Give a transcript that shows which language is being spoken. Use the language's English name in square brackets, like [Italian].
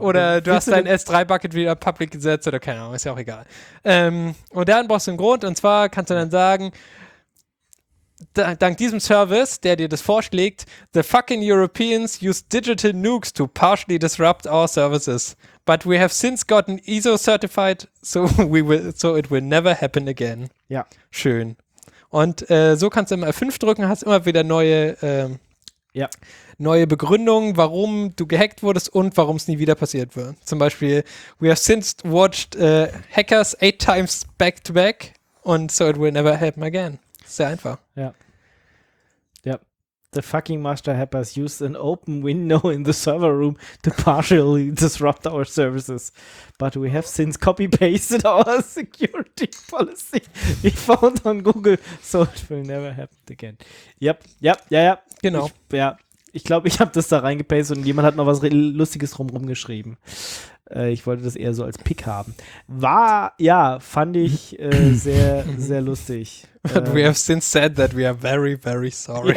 [German] Oder du hast dein S3-Bucket wieder public gesetzt oder keine Ahnung, ist ja auch egal. Und dann brauchst du einen Grund, und zwar kannst du dann sagen, dank diesem Service, der dir das vorschlägt, [English] the fucking Europeans use digital nukes to partially disrupt our services. But we have since gotten ISO certified, so it will never happen again. [German] Ja. Schön. Und so kannst du immer F5 drücken, hast immer wieder neue Begründungen, warum du gehackt wurdest und warum es nie wieder passiert wird. Zum Beispiel, [English] we have since watched hackers 8 times back to back and so it will never happen again. [German] Sehr einfach. Ja. Ja. [English] The fucking master hackers used an open window in the server room to partially disrupt our services. But we have since copy-pasted our security policy. We found on Google, so it will never happen again. Yep. Yep. [German] Ja, ja. Genau. Ich glaube, ich habe das da reingepastet und jemand hat noch was Lustiges rumrum geschrieben. Ich wollte das eher so als Pick haben. Fand ich sehr, sehr lustig. [English] But we have since said that we are very, very sorry.